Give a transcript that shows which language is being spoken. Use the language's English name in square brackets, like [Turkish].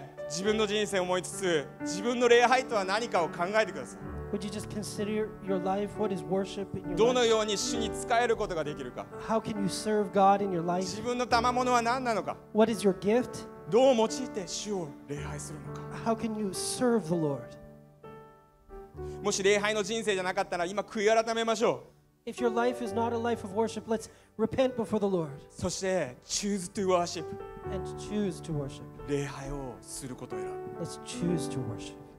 [Japanese] 自分の人生を思いつつ、自分の礼拝とは何かを考えてください。 [English] Would you just consider your life? What is worship in your life? [Japanese] どのように主に仕えることができるか。 [English] How can you serve God in your life? [Japanese] 自分の賜物は何なのか。 [English] What is your gift? [Japanese] どう用いて主を礼拝するのか。 [English] How can you serve the Lord? [Japanese] もし礼拝の人生じゃなかったら、今悔い改めましょう。 [English] If your life is not a life of worship, let's repent before the Lord. [Japanese] そして [English] choose to worship. And choose to worship. [Japanese] 礼拝をすることを選ぶ。 [English] Let's choose to worship.